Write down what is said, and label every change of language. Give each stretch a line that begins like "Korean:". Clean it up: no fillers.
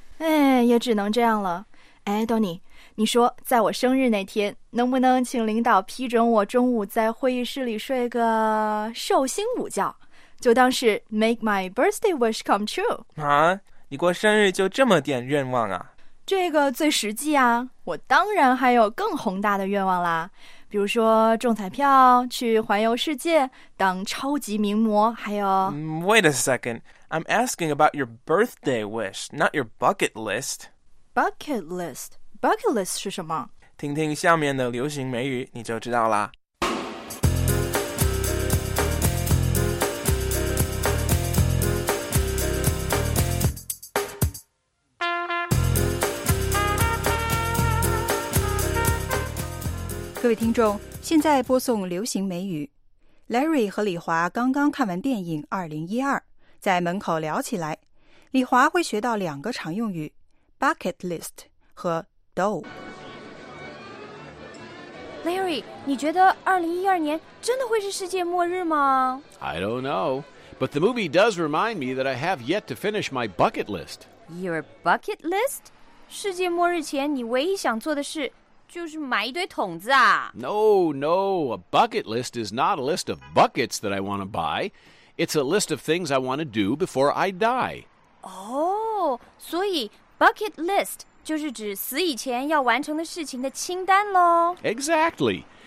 Chinese: 哎，也只能这样了。哎 ，Donnie， 你说在我生日那天，能不能请领导批准我中午在会议室里睡个寿星午觉，就当是
English: make my birthday wish come true？
Chinese: 啊，你过生日就这么点愿望啊？这个最实际啊，我当然还有更宏大的愿望啦，比如说中彩票、去环游世界、当超级名模，还有……
English: Wait a second, I'm asking about your birthday wish, not your bucket list. Bucket list? Bucket list
Chinese: 是什么？听听下面的流行美语，你就知道啦。各位听众，现在播送流行美语。 Larry 和李华刚刚看完电影2012，在门口聊起来，李华会学到两个常用语 bucket list 和 dough。 Larry， 你觉得2012年真的会是世界末日吗？
English: I don't know, but the movie does remind me that I have yet to finish my bucket list. Your bucket list?
Chinese: 世界末日前你唯一想做的事就是买一堆桶子啊。
English: No, no, a bucket list is not a list of buckets that I want to buy. It's a list of things I want to do before I die.
Chinese: Oh, 所以 bucket list 就是指死以前要完成的事情的清单咯。
English: Exactly.